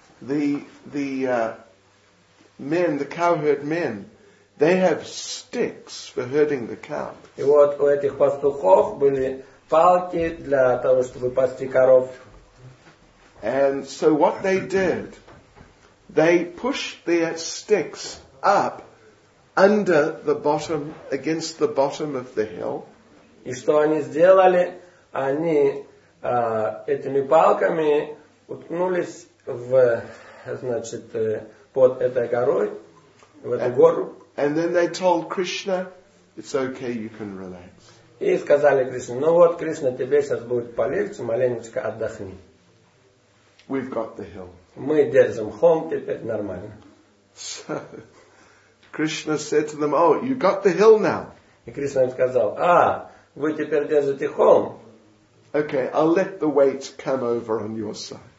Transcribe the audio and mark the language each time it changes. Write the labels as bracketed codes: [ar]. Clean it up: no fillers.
[en] The men, the cowherd men, they have sticks for herding the cow. [ru] И вот у этих пастухов были палки для того, чтобы пасти коров. [en] And so what they did, they pushed their sticks up under the bottom, against the bottom of the hill. [ru] И что они сделали? Они этими палками уткнулись в, значит, под этой горой, в эту гору. [en] And then they told Krishna, it's okay, you can relax. [ru] И сказали Кришне, ну вот, Кришна, тебе сейчас будет полегче, маленечко отдохни. [en] We've got the hill. [ru] Мы держим холм, теперь нормально. [en] So, Krishna said to them, oh, you got the hill now. [ru] И Кришна им сказал, а, вы теперь держите холм. [en] Okay, I'll let the weight come over on your side.